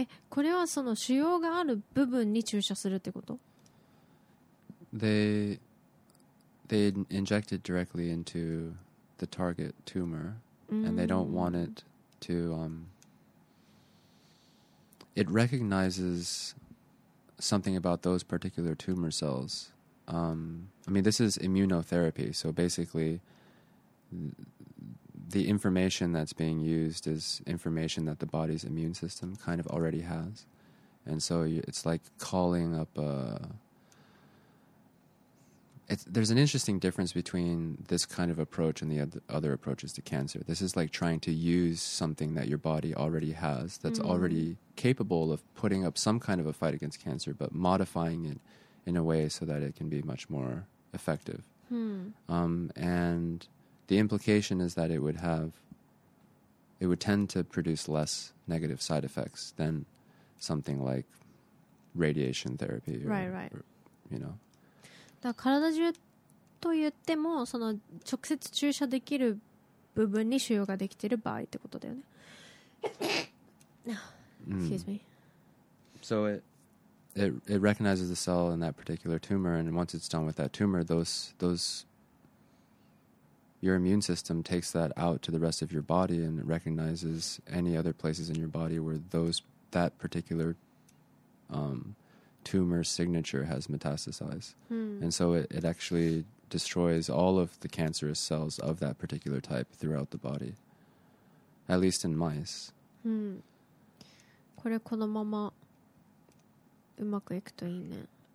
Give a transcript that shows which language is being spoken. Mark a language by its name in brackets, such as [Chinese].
[Japanese] これはその腫瘍がある部分に注射するってこと？ [English] They inject it directly into the target tumor and they don't want it to it recognizes something about those particular tumor cells. I mean, this is immunotherapy, so basically the information that's being used is information that the body's immune system kind of already has. And so it's like calling up a... There's an interesting difference between this kind of approach and the other approaches to cancer. This is like trying to use something that your body already has that's already capable of putting up some kind of a fight against cancer, but modifying it in a way so that it can be much more effective. And... The implication is that it would tend to produce less negative side effects than something like radiation therapy. You know. [Japanese] だから体中と言っても、その直接注射できる部分に腫瘍ができている場合ってことだよね。 [English] Excuse me. So it recognizes the cell in that particular tumor, and once it's done with that tumor, those your immune system takes that out to the rest of your body and recognizes any other places in your body where that particular tumor signature has metastasized. And so it actually destroys all of the cancerous cells of that particular type throughout the body, at least in mice. [Japanese] これこのままうまくいくといいね。